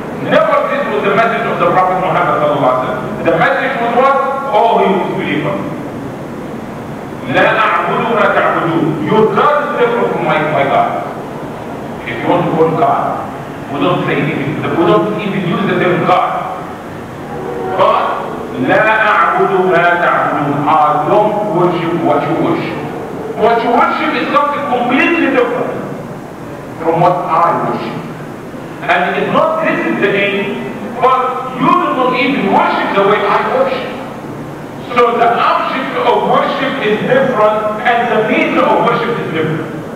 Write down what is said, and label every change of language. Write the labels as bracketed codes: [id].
[en] Never this was the message of the Prophet Muhammad sallallahu alaihi wasallam. The message was what? All he was believers. [ar] لا أعبد ما تعبدون. [en] Your God is different from my God. If you want to call God, we don't say anything. We don't even use the term God. But [ar] لا أعبد ما تعبدون. [en] I don't worship what you worship. What you worship is something completely different from what I worship. And it's not this is the aim, but you do not even worship the way I worship. So the object of worship is different and the means of worship is different.